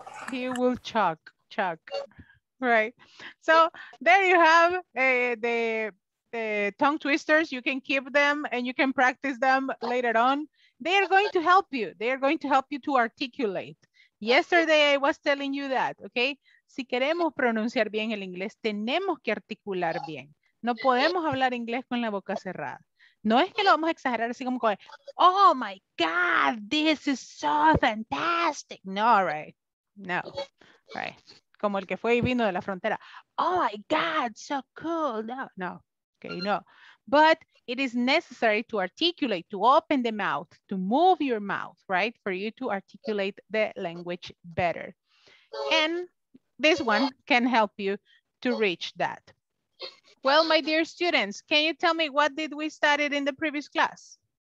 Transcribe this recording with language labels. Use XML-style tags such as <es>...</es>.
<en>He will chuck. Right. So there you have the tongue twisters. You can keep them and you can practice them later on. They are going to help you. They are going to help you to articulate. Yesterday I was telling you that, okay?</en> <es>Si queremos pronunciar bien el inglés, tenemos que articular bien. No podemos hablar inglés con la boca cerrada. No es que lo vamos a exagerar así como,</es> <en>oh my God, this is so fantastic.</en> <es>No, right. Como el que fue y vino de la frontera.</es> <en>Oh my God, so cool. No. But it is necessary to articulate, to open the mouth, to move your mouth, right? For you to articulate the language better. And this one can help you to reach that. Well, my dear students, can you tell me what did we study in the previous class?</en>